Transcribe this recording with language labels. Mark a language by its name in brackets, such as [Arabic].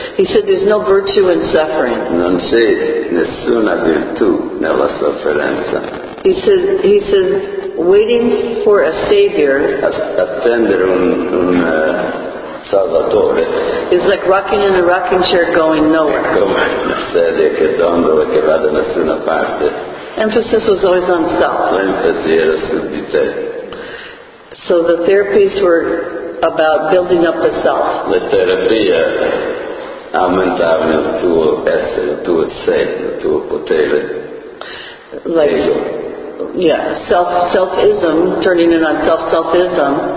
[English] He said, there's no virtue in suffering. [Italian] Non c'è nessuna virtù nella sofferenza. [English] He said, waiting for a savior. [Italian] Attendere un salvatore. [English] It's like rocking in a rocking chair going nowhere. [Italian] È come una sedia che dondola che va da nessuna parte. [English] Emphasis was always on self. [Italian] L'enfasi era su di te. [English] So the therapists were about building up the self. [Italian] La terapia aumentava il tuo essere, il tuo sé, il tuo potere. [English] Like, ego. Yeah, selfism, turning in on selfism.